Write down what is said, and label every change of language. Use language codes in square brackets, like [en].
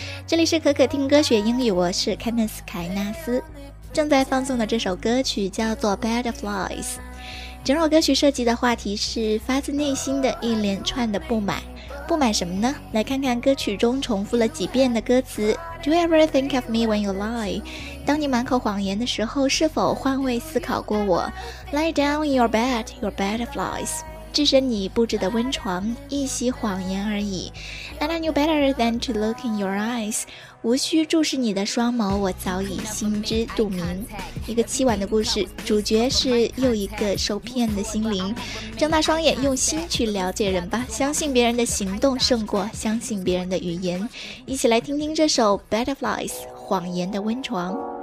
[zh] 这里是可可听歌学英语，我是 Candice 凯纳斯。正在放送的这首歌曲叫做 Butterflies， 整首歌曲涉及的话题是发自内心的一连串的不满。不满什么呢？来看看歌曲中重复了几遍的歌词。 [en] Do you ever think of me when you lie? [zh] 当你满口谎言的时候，是否换位思考过我？ [en] Lie down in your bed, your butterflies. [zh] 置身你布置的温床，一席谎言而已。 [en] And I knew better than to look in your eyes. [zh] 无需注视你的双眸，我早已心知肚明。一个凄婉的故事，主角是又一个受骗的心灵。睁大双眼，用心去了解人吧，相信别人的行动胜过相信别人的语言。一起来听听这首 Butterflies 谎言的温床。